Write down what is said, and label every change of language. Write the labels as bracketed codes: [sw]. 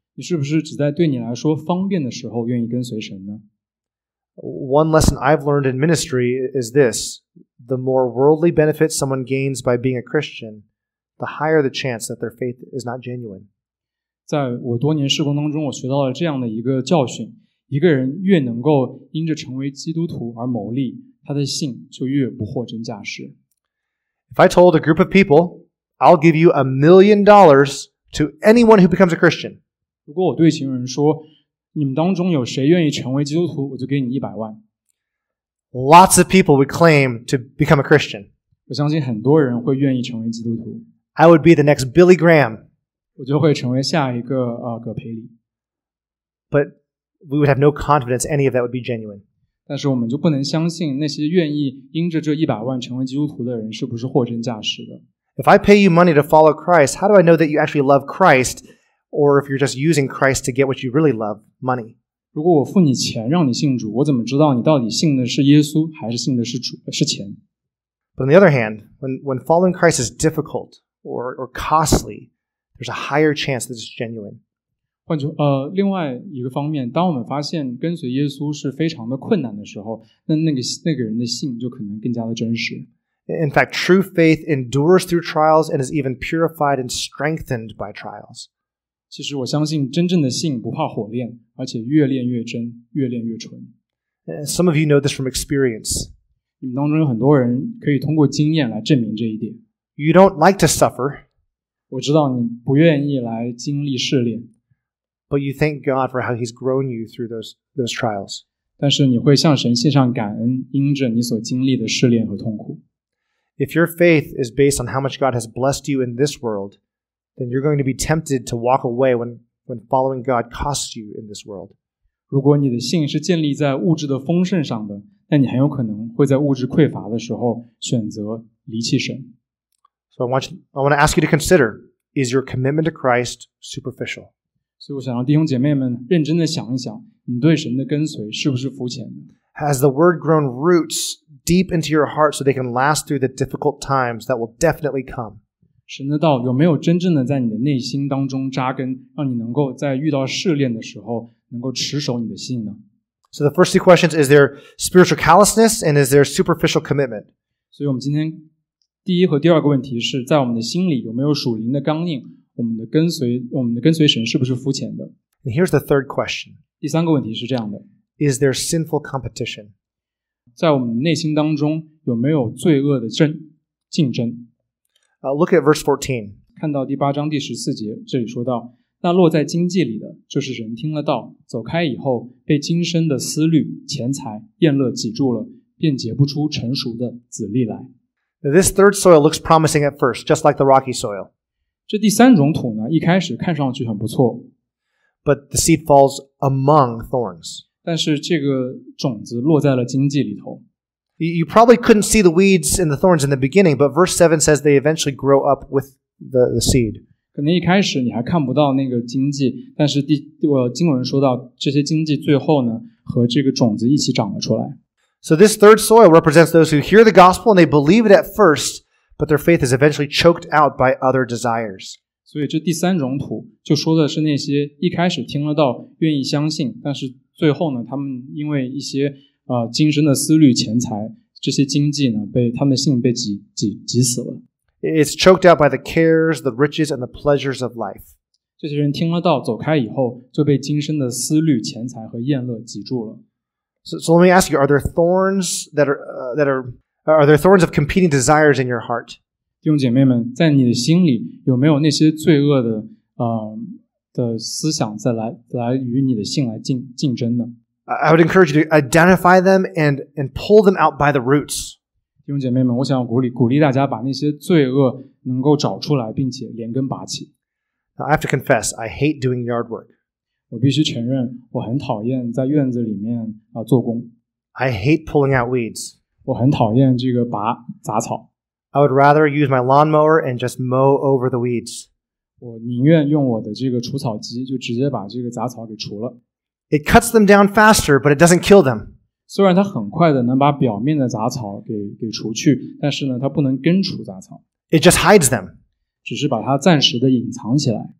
[zh] 你是不是只在对你来说方便的时候愿意跟随神呢? [en] One lesson I've learned in ministry is this. The more worldly benefits someone gains by being a Christian, the higher the chance that their faith is not genuine. [zh] 在我多年事工当中我学到了这样的一个教训。一个人越能够因着成为基督徒而谋利他的信就越不货真价实。 [en] If I told a group of people,I'll give you $1,000,000 to anyone who becomes a Christian. [zh] 如果我对其人说，你们当中有谁愿意成为基督徒，我就给你100万。 [en] Lots of people would claim to become a Christian. [zh] 我相信很多人会愿意成为基督徒。 [en] I would be the next Billy Graham. [zh] 我就会成为下一个葛培里。 [en] But we would have no confidence any of that would be genuine. [zh] 但是我们就不能相信那些愿意因着这100万成为基督徒的人是不是货真价实的。 [en] If I pay you money to follow Christ, how do I know that you actually love Christ, or if you're just using Christ to get what you really love, money? [zh] 如果我付你钱让你信主，我怎么知道你到底信的是耶稣还是信的是主是钱？ [en] But on the other hand, when following Christ is difficult or costly, there's a higher chance that it's genuine. [zh] 另外一个方面，当我们发现跟随耶稣是非常的困难的时候，那个人的信就可能更加的真实。 [en] In fact, true faith endures through trials and is even purified and strengthened by trials. [zh] 其实我相信真正的信不怕火炼，而且越炼越真，越炼越纯。 [en] Some of you know this from experience. [zh] 你们当中有很多人可以通过经验来证明这一点。 [en] You don't like to suffer. [zh] 我知道你不愿意来经历试炼。 [en] But you thank God for how He's grown you through those trials. [zh] 但是你会向神献上感恩，因着你所经历的试炼和痛苦。 [en] If your faith is based on how much God has blessed you in this world, then you're going to be tempted to walk away when following God costs you in this world. [zh] 如果你的信是建立在物质的丰盛上的，那你很有可能会在物质匮乏的时候选择离弃神。 [en] So I want to ask you to consider, is your commitment to Christ superficial? [zh] 所以我想让弟兄姐妹们认真地想一想，你对神的跟随是不是肤浅的？ [en] Has the word grown roots deep into your heart so they can last through the difficult times that will definitely come? [zh] 神的道有没有真正的在你的内心当中扎根，让你能够在遇到试炼的时候能够持守你的信呢？ [en] So the first two questions, is there spiritual callousness and is there superficial commitment? [zh] 所以我们今天第一和第二个问题是在我们的心里有没有属灵的刚硬，我们的跟随神是不是肤浅的。 [en] And here's the third question. [zh] 第三个问题是这样的。 [en] Is there sinful competition? [zh] 在我们内心当中有没有罪恶的竞争。 [en] Look at verse 14. [zh] 看到第八章第十四节，这里说到，那落在荆棘里的就是人听了道，走开以后被今生的思虑、钱财、厌乐挤住了，便结不出成熟的籽粒来。 [en] Now, this third soil looks promising at first, just like the rocky soil. [zh] 这第三种土呢，一开始看上去很不错。 [en] But the seed falls among thorns. [zh] 但是这个种子落在了荆棘里头。 [en] You probably couldn't see the weeds and the thorns in the beginning, but verse 7 says they eventually grow up with the seed. [zh] 可能一开始你还看不到那个荆棘，但是经文说到这些荆棘最后呢，和这个种子一起长了出来。 [en] So this third soil represents those who hear the gospel and they believe it at first, but their faith is eventually choked out by other desires. [zh] 所以这第三种土就说的是那些一开始听了道愿意相信，但是最后呢，他们因为一些今生的思虑、钱财，这些经济呢，被他们的信被挤死了。 [en] It's choked out by the cares, the riches, and the pleasures of life. [zh] 这些人听了道走开以后，就被今生的思虑、钱财和厌乐挤住了。 [en] So let me ask you, are there thorns are there thorns of competing desires in your heart? [zh] 弟兄姐妹们，在你的心里有没有那些罪恶的思想在来与你的信来竞争呢？ [en] I would encourage you to identify them and pull them out by the roots. [zh] 弟兄姐妹们，我想鼓励大家把那些罪恶能够找出来，并且连根拔起。 [en] Now, I have to confess, I hate doing yard work. [zh] 我必须承认，我很讨厌在院子里面做工。 [en] I hate pulling out weeds. [zh] 我很讨厌这个杂草。 [en] I would rather use my lawnmower and just mow over the weeds. [zh] 我宁愿用我的这个除草机，就直接把这个杂草给除了。 [en] It cuts them down faster, but it doesn't kill them. [zh] 虽然它很快的能把表面的杂草给除去，但是呢，它不能根除杂草。 [en] It just hides them. [zh] 只是把它暂时的隐藏起来。